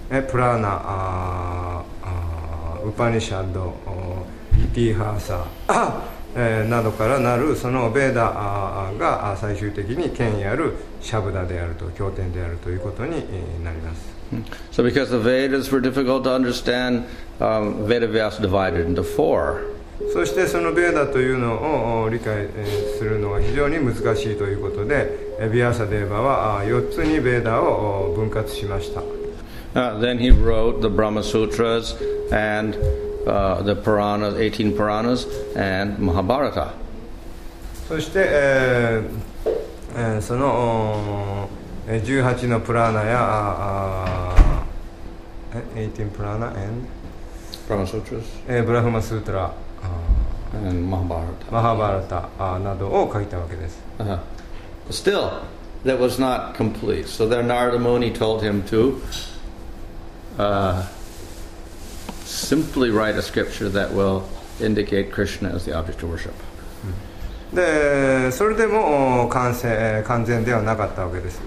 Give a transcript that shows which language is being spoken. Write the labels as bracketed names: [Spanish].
[Japanese] プラーナウパニシャッドイティハーサなどからなるそのベーダが最終的に権威あるシャブダであると経典であるということになります。 [English] So because the Vedas were difficult to understand, Vedavyasa divided into four. [Japanese] そしてそのベーダというのを理解するのは非常に難しいということで、ヴィアサデーバは4つにベーダを分割しました。 [English] Then he wrote the Brahma Sutras and the Puranas, 18 Puranas, and Mahabharata. [Japanese] そして、その18のプラーナや、 [English] 18 Purana and Brahma Sutras, Brahma Sutra, and Mahabharata, [Japanese] Mahabharata、などを書いたわけです。 [English] Still, that was not complete. So then Narada Muni told him to. Simply write a scripture that will indicate Krishna as the object of worship. [Japanese] で、それでも完全ではなかったわけです。